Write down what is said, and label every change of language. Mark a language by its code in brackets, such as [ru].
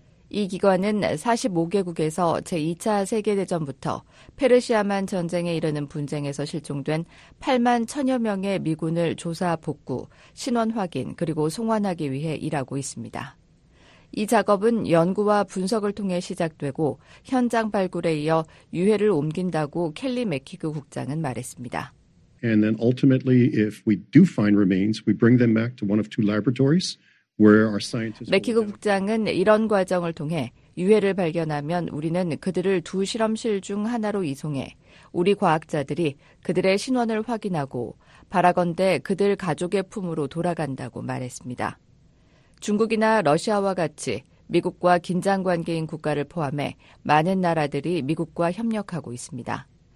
[ko] 이 기관은 45개국에서 제2차 세계대전부터 페르시아만 전쟁에 이르는 분쟁에서 실종된 8만 1천여 명의 미군을 조사 복구, 신원 확인 그리고 송환하기 위해 일하고 있습니다. 이 작업은 연구와 분석을 통해 시작되고 현장 발굴에 이어 유해를 옮긴다고 켈리 맥히그 국장은 말했습니다. [en] And then ultimately if we do find remains, we bring them back to one of two laboratories where our scientists [ko] 맥히그 국장은 이런 과정을 통해 유해를 발견하면 우리는 그들을 두 실험실 중 하나로 이송해 우리 과학자들이 그들의 신원을 확인하고 바라건대 그들 가족의 품으로 돌아간다고 말했습니다. 중국이나 러시아와 같이 미국과 긴장 관계인 국가를 포함해 많은 나라들이 미국과 협력하고 있습니다.